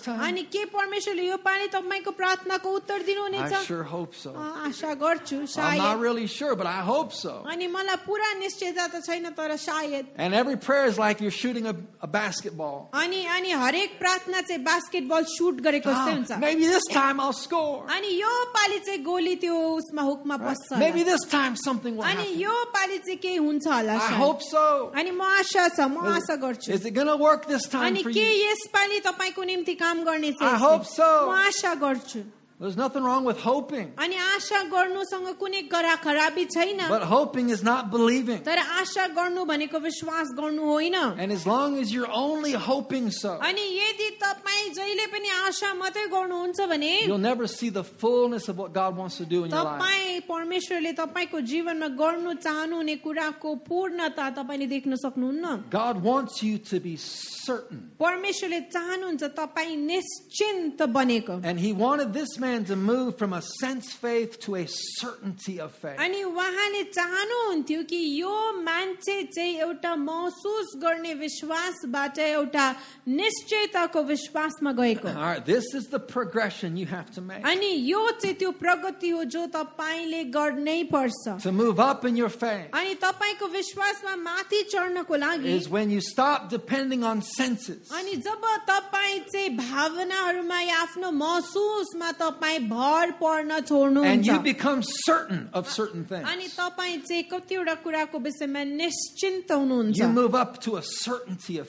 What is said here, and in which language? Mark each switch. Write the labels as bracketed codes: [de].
[en] time? I sure hope so. I'm not really sure, but I hope so. And every prayer is like you're shooting a basketball. Maybe this time I'll score. [ne] अनि यो पाली चाहिँ गोली त्यो उसमा हुकमा बस्छ. [en] Maybe this time something will happen. [ne] अनि यो पाली चाहिँ के हुन्छ होला [en] Sir. I hope so. [ne] अनि म आशा गर्छु. [en] Is it going to work this time for you? [ne] अनि के यस पाली तपाईको निम्ति काम गर्नेछ. [en] I hope so. [ne] म आशा गर्छु. [en] There's nothing wrong with hoping. [ne] अनि आशा गर्नु सँग कुनै गरा खराबी छैन. [en] But hoping is not believing. [ne] तर आशा गर्नु भनेको विश्वास गर्नु होइन. [en] And as long as you're only hoping so. [ne] अनि यदि तपाई जहिले पनि आशा मात्रै गर्नुहुन्छ भने [en] you'll never see the fullness of what God wants to do in your life. [ne] तपाई परमेश्वरले तपाईको जीवनमा गर्न चाहनु हुने कुराको पूर्णता तपाईले देख्न सक्नुहुन्न. [en] God wants you to be certain. [ne] परमेश्वरले चाहनुहुन्छ तपाई निश्चिन्त बनेको. [en] And he wanted this man to move from a sense faith to a certainty of faith. [ne] अनि वहाँले चाहनुहुन्थ्यो कि यो मान्छे चाहिँ एउटा महसुस गर्ने विश्वासबाट एउटा निश्चयताको विश्वासमा गएको. [en] All right, this is the progression you have to make. [ne] अनि यो चाहिँ त्यो प्रगति हो जो तपाईले गर्नै पर्छ. [en] To move up in your faith. [ne] अनि तपाईको विश्वासमा माथि चढ्नको लागि [en] is when you stop depending on senses. [ne] अनि जब तपाई चाहिँ भावनाहरुमा आफ्नो महसुस [en] And you become certain of certain things. You move up to a certainty of